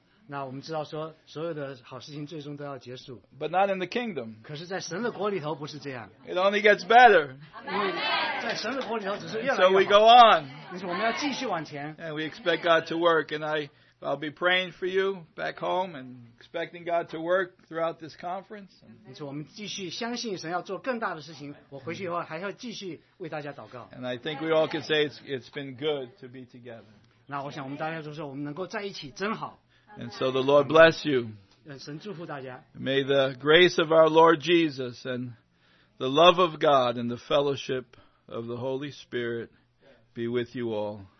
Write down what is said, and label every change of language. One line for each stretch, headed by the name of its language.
Chinese: 那我们知道说，所有的好事情最终都要结束。
English: But not in the kingdom.
Chinese: 可是，在神的国里头不是这样。
English: It only gets better.
Chinese: 在神的国里头只是越来越好。
English: So we go on.
Chinese: 但是我们要继续往前。
English: And we expect God to work. And I'll be praying for you back home and expecting God to work throughout this conference.
Chinese: 但是我们继续相信神要做更大的事情。我回去以后还要继续为大家祷告。
English: And I think we all can say it's been good to be together.
Chinese: 那我想我们大家就说，我们能够在一起真好。
English: And so the Lord bless you. May the grace of our Lord Jesus and the love of God and the fellowship of the Holy Spirit be with you all.